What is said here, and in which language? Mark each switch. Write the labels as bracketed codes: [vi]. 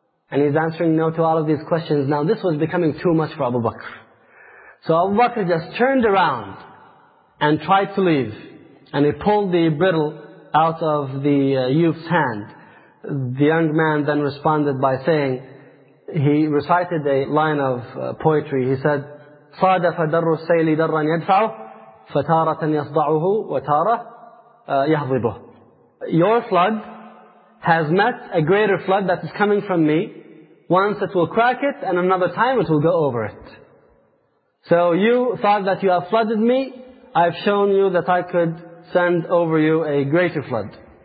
[en] And he's answering no to all of these questions. Now this was becoming too much for Abu Bakr. So Abu Bakr just turned around and tried to leave. And he pulled the brittle out of the youth's hand. The young man then responded by saying, he recited a line of poetry. He said, [ar] صَادَفَ دَرُّ السَّيْلِ دَرًّا يَدْفَعُ فَتَارَةً يَصْدَعُهُ وَتَارَةً يَحْضِبُهُ. [en] Your flood has met a greater flood that is coming from me. Once it will crack it, and another time it will go over it. So you thought that you have flooded me. I've shown you that I could send over you a greater flood.